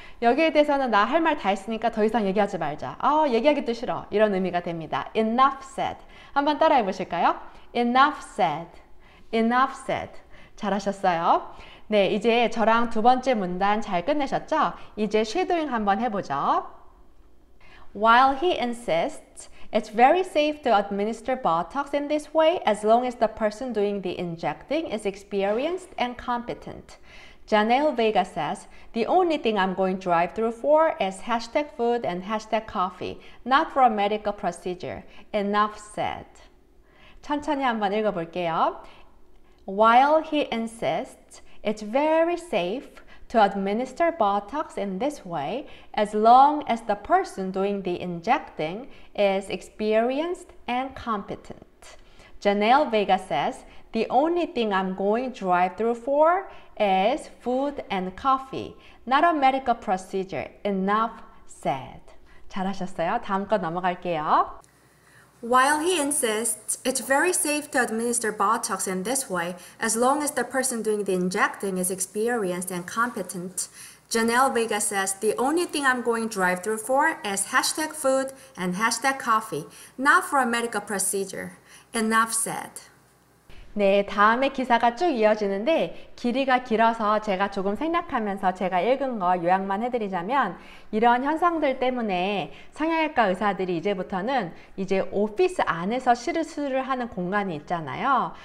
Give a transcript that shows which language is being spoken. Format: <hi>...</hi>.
<ko>여기에 대해서는 나 할 말 다 했으니까 더 이상 얘기하지 말자. 얘기하기도 싫어. 이런 의미가 됩니다.</ko> <en>Enough said.</en> <ko>한번 따라해 보실까요?</ko> <en>Enough said. Enough said.</en> <ko>잘하셨어요. 네, 이제 저랑 두 번째 문단 잘 끝내셨죠? 이제 쉐도잉 한번 해보죠.</ko> <en>While he insists, it's very safe to administer Botox in this way as long as the person doing the injecting is experienced and competent. Janelle Vega says, the only thing I'm going drive-through for is hashtag food and hashtag coffee, not for a medical procedure. Enough said.</en> <ko>천천히 한번 읽어볼게요.</ko> <en>While he insists, it's very safe to administer Botox in this way as long as the person doing the injecting is experienced and competent. Janelle Vega says, the only thing I'm going drive-through for is food and coffee, not a medical procedure. Enough said.</en> <ko>잘하셨어요. 다음 거 넘어갈게요.</ko> <en>While he insists it's very safe to administer Botox in this way, as long as the person doing the injecting is experienced and competent, Janelle Vega says the only thing I'm going drive-through for is hashtag food and hashtag coffee, not for a medical procedure. Enough said.</en> <ko>네, 다음에 기사가 쭉 이어지는데 길이가 길어서 제가 조금 생략하면서 제가 읽은 거 요약만 해드리자면 이런 현상들 때문에 성형외과 의사들이 이제부터는 이제 오피스 안에서 시술을 하는 공간이 있잖아요.</ko>